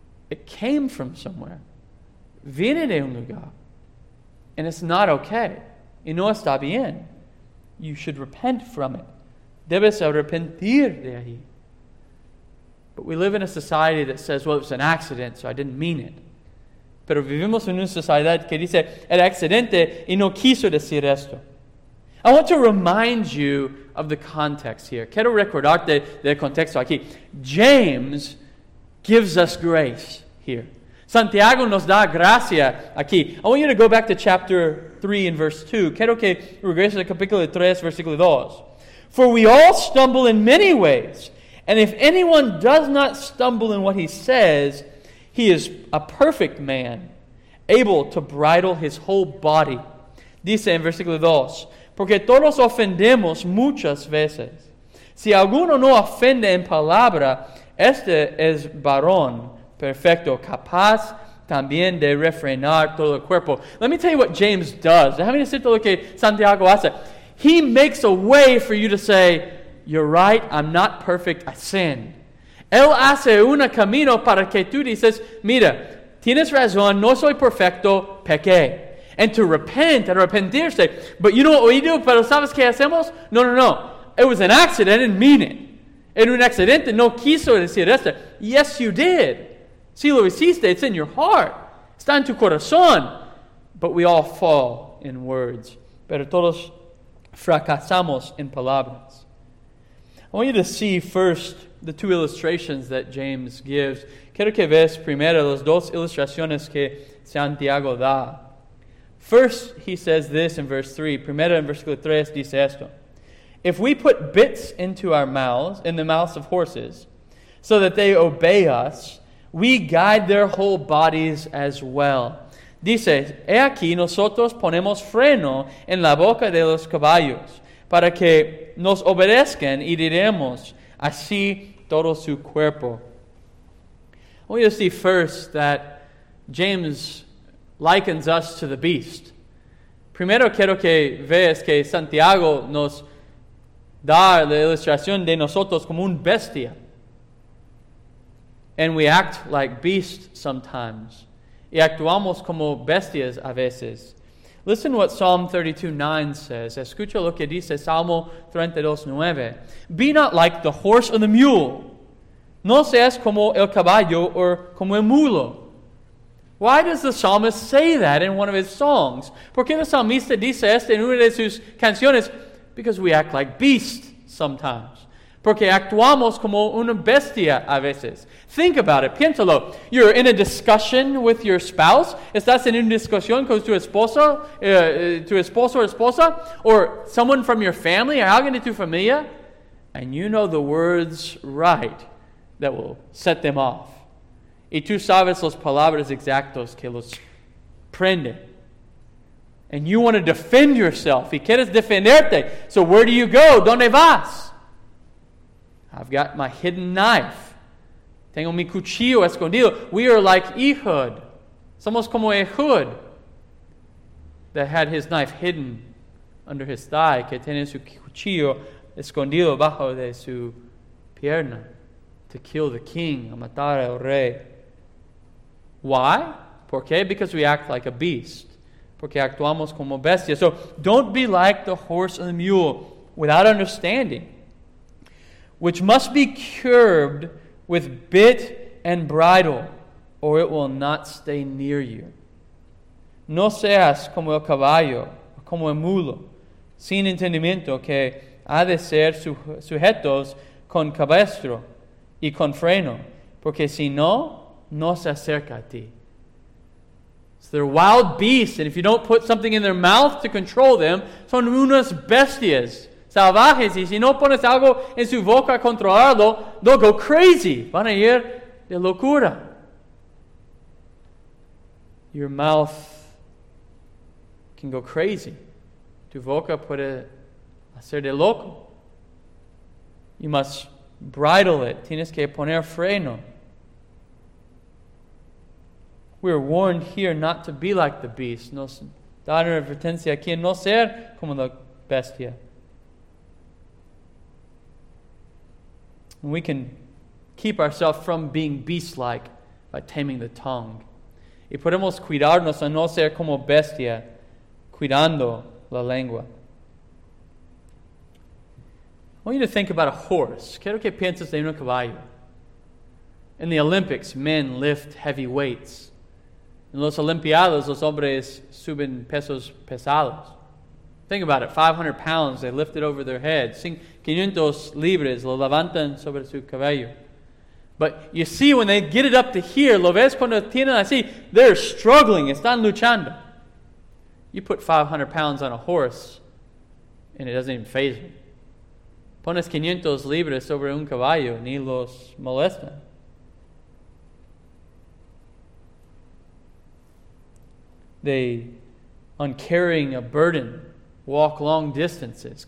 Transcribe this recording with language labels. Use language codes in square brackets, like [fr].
[en] It came from somewhere. [es] Viene de un lugar. [en] And it's not okay. [es] Y no está bien. [en] You should repent from it. [es] Debes arrepentir de ahí. [en] But we live in a society that says, well, it was an accident, so I didn't mean it. [es] Pero vivimos en una sociedad que dice, era accidente y no quiso decir esto. [en] I want to remind you of the context here. [es] Quiero recordarte del contexto aquí. [en] James gives us grace here. [es] Santiago nos da gracia aquí. [en] I want you to go back to chapter 3 and verse 2. [es] Quiero que regreses al capítulo 3, versículo 2. [en] For we all stumble in many ways. And if anyone does not stumble in what he says, he is a perfect man, able to bridle his whole body. [es] Dice en versículo 2. Porque todos ofendemos muchas veces. Si alguno no ofende en palabra, este es varón perfecto, capaz también de refrenar todo el cuerpo. [en] Let me tell you what James does. [es] Déjame decirte lo que Santiago hace. [en] He makes a way for you to say, you're right, I'm not perfect, I sin. [es] Él hace un camino para que tú dices, mira, tienes razón, no soy perfecto, pequé. [en] And to repent, arrepentirse. But you know what we do? [es] Pero ¿sabes qué hacemos? No, no, no. [en] It was an accident. I didn't mean it. [es] Era un accidente. No quiso decir esto. [en] Yes, you did. [es] Sí lo hiciste. [en] It's in your heart. [es] Está en tu corazón. [en] But we all fall in words. [es] Pero todos fracasamos en palabras. [en] I want you to see first the two illustrations that James gives. [es] Quiero que veas primero las dos ilustraciones que Santiago da. [en] First, he says this in verse 3. [es] Primero, en versículo 3, dice esto. [en] If we put bits into our mouths, in the mouths of horses, so that they obey us, we guide their whole bodies as well. [es] Dice, he aquí, nosotros ponemos freno en la boca de los caballos para que nos obedezcan y diremos así todo su cuerpo. [en] I want you to see first that James likens us to the beast. [es] Primero quiero que veas que Santiago nos da la ilustración de nosotros como un bestia. [en] And we act like beasts sometimes. [es] Y actuamos como bestias a veces. [en] Listen to what Psalm 32:9 says. [es] Escucha lo que dice Salmo 32:9. [en] Be not like the horse or the mule. [es] No seas como el caballo o como el mulo. [en] Why does the psalmist say that in one of his songs? [es] ¿Por qué el salmista dice esto en una de sus canciones? [en] Because we act like beasts sometimes. [es] Porque actuamos como una bestia a veces. [en] Think about it. [es] Piénsalo. [en] You're in a discussion with your spouse. [es] Estás en una discusión con tu esposo o esposa. [en] Or someone from your family. Or [es] alguien de tu familia. [en] And you know the words right that will set them off. [es] Y tú sabes las palabras exactas que los prenden. [en] And you want to defend yourself. [es] Y quieres defenderte. [en] So where do you go? [es] ¿Dónde vas? [en] I've got my hidden knife. [es] Tengo mi cuchillo escondido. [en] We are like Ehud. [es] Somos como Ehud. [en] That had his knife hidden under his thigh. [es] Que tiene su cuchillo escondido bajo de su pierna. [en] To kill the king. [es] A matar al rey. [en] Why? [es] ¿Por qué? [en] Because we act like a beast. [es] Porque actuamos como bestia. [en] So don't be like the horse or the mule without understanding, which must be curbed with bit and bridle, or it will not stay near you. [es] No seas como el caballo, como el mulo, sin entendimiento que ha de ser sujetos con cabestro y con freno, porque si no, no se acerca a ti. [en] So they're wild beasts, and if you don't put something in their mouth to control them, [es] son unas bestias. Salvajes, y si no pones algo en su boca a controlarlo, [en] they'll go crazy. [es] Van a ir de locura. [en] Your mouth can go crazy. [es] Tu boca puede hacer de loco. [en] You must bridle it. [es] Tienes que poner freno. [en] We are warned here not to be like the beast. [es] Nos da una advertencia aquí en no ser como la bestia. [en] And we can keep ourselves from being beast-like by taming the tongue. [es] Y podemos cuidarnos a no ser como bestia, cuidando la lengua. [en] I want you to think about a horse. [es] Quiero que pienses en un caballo. [en] In the Olympics, men lift heavy weights. [es] En los Olimpiadas, los hombres suben pesos pesados. [en] Think about it, 500 pounds, they lift it over their head. [es] 500 libras, lo levantan sobre su cabello. [en] But you see, when they get it up to here, [es] lo ves cuando tienen así, [en] they're struggling, [es] están luchando. [en] You put 500 pounds on a horse, and it doesn't even faze them. [es] Pones 500 libras sobre un caballo, ni los molestan. [en] They, on carrying a burden, walk long distances.